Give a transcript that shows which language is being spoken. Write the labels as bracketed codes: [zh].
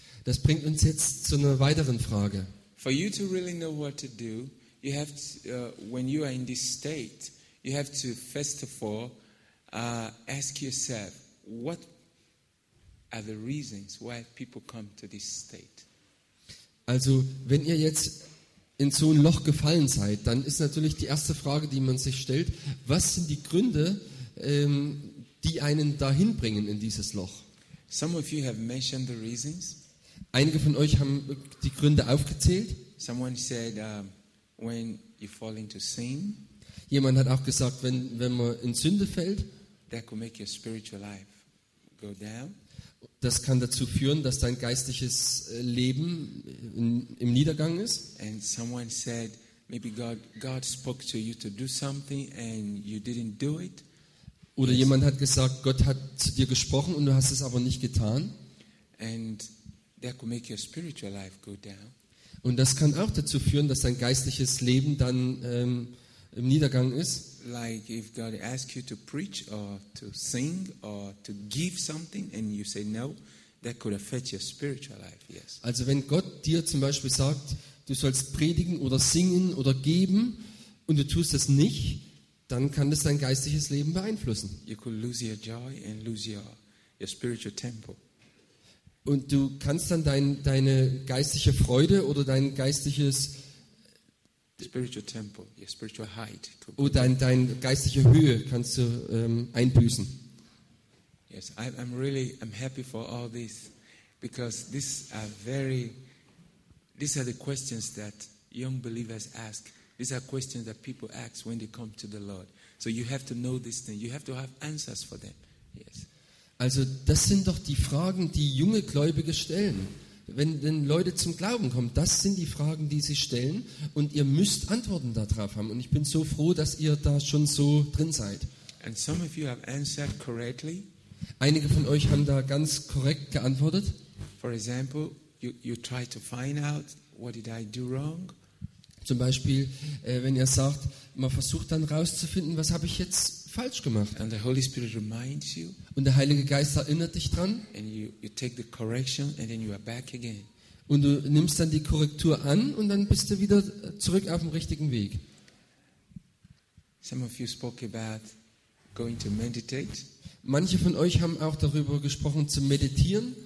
[de] Das bringt uns jetzt zu einer weiteren Frage. [en] For you to really know what to do, you have to, when you are in this state, you have to first of all ask yourself, what are the reasons why people come to this state? [de] Also, wenn ihr jetzt in so ein Loch gefallen seid, dann ist natürlich die erste Frage, die man sich stellt, was sind die Gründe, die einen dahin bringen in dieses Loch? [en] Some of you have mentioned the reasons. [de] Einige von euch haben die Gründe aufgezählt. [en] Someone said, when you fall into sin, [de] jemand hat auch gesagt, wenn man in Sünde fällt, [en] that could make your spiritual life go down. [de] Das kann dazu führen, dass dein geistliches Leben im Niedergang ist. [en] And someone said, maybe God spoke to you to do something and you didn't do it. [de] Oder jemand hat gesagt, Gott hat zu dir gesprochen und du hast es aber nicht getan. [en] And that could make your spiritual life go down. [de] Und das kann auch dazu führen, dass dein geistliches Leben dann im Niedergang ist. [en] Like if God asks you to preach or to sing or to give something and you say no, that could affect your spiritual life, yes. [de] Also wenn Gott dir zum Beispiel sagt, du sollst predigen oder singen oder geben und du tust das nicht, dann kann das dein geistliches Leben beeinflussen. [en] You could lose your joy and lose your spiritual temple. [de] Und du kannst dann deine geistliche Freude oder dein geistliches [en] spiritual temple, your spiritual height, [de] oder dein geistliche Höhe kannst du einbüßen. [en] Yes, I'm happy for all this, because these are the questions that young believers ask. These are questions that people ask when they come to the Lord. So you have to know this thing. You have to have answers for them. Yes. [de] Also das sind doch die Fragen, die junge Gläubige stellen. Wenn Leute zum Glauben kommen, das sind die Fragen, die sie stellen und ihr müsst Antworten darauf haben. Und ich bin so froh, dass ihr da schon so drin seid. [en] And some of you have answered correctly. [de] Einige von euch haben da ganz korrekt geantwortet. [en] For example, you try to find out, what did I do wrong? [de] Zum Beispiel, wenn ihr sagt, man versucht dann rauszufinden, was habe ich jetzt falsch gemacht. [en] And the Holy Spirit reminds you. [de] Und der Heilige Geist erinnert dich dran. [en] And you take the correction and then you are back again. [de] Und du nimmst dann die Korrektur an und dann bist du wieder zurück auf dem richtigen Weg. [en] Some of you spoke about going to meditate. [de] Manche von euch haben auch darüber gesprochen, zu meditieren.